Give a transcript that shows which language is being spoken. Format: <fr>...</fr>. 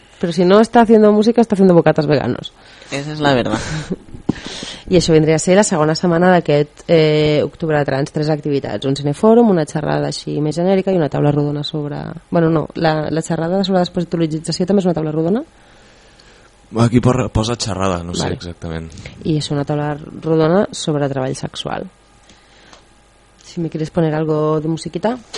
<es>Pero si no está haciendo música, está haciendo bocatas veganos. Esa es la verdad.</es> <ca>I això vindria a ser la segona setmana d'aquest octubre trans, tres activitats, un cinefòrum, una xerrada així més genèrica i una taula rodona sobre... Bueno, no, la xerrada sobre despatologització també és una taula rodona? Aquí posa xerrada, no sé exactament. I és una taula rodona sobre treball sexual.</ca> <es>Si me quieres poner algo de musiquita.</es>